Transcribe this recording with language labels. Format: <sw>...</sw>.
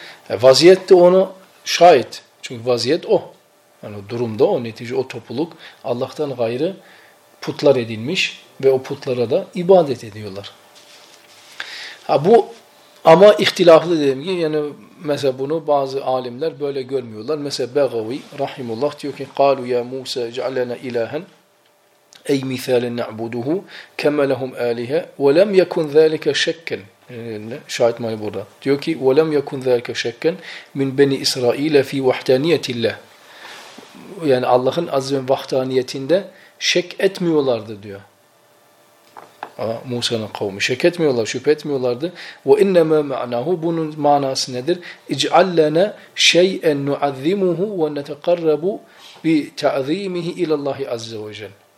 <tr>Vaziyet de onu şahit. Çünkü vaziyet o. Yani durumda o, netice o topluluk Allah'tan gayrı putlar edinmiş ve o putlara da ibadet ediyorlar. Ha bu ama ihtilaflı dediğim gibi yani mesela bunu bazı alimler böyle görmüyorlar. Mesela Begavi rahimullah diyor ki</tr> <ar>قَالُوا يَا مُوسَى جَعْلَنَا اِلَٰهًا اَيْ مِثَالٍ نَعْبُدُهُ كَمَ لَهُمْ آلِهَا وَلَمْ يَكُنْ ذَٰلِكَ شَكًّا.</ar> <tr>Şahit mali burada. Diyor ki</tr> <ar>وَلَمْ يَكُنْ ذَٰلِكَ شَكًّا مِنْ بَنِي إِسْرَائِيلَ فِي وَحْدَانِيَةِ اللّٰهِ.</ar> <tr>Yani Allah'ın azim vahdaniyetinde şek etmiyorlardı diyor. Musa'nın kavmi şek etmiyorlar, şüphe etmiyorlardı.</tr> <ar>وَاِنَّمَا مَعْنَاهُ</ar> <tr>bunun manası nedir?</tr> <ar>اِجْعَلَّنَا شَيْئًا نُعَذِّمُهُ وَنَتَقَرَّبُ بِتَعْذِيمِهِ اِلَى اللّٰهِ عَزَّ وَجَلَّ.</ar>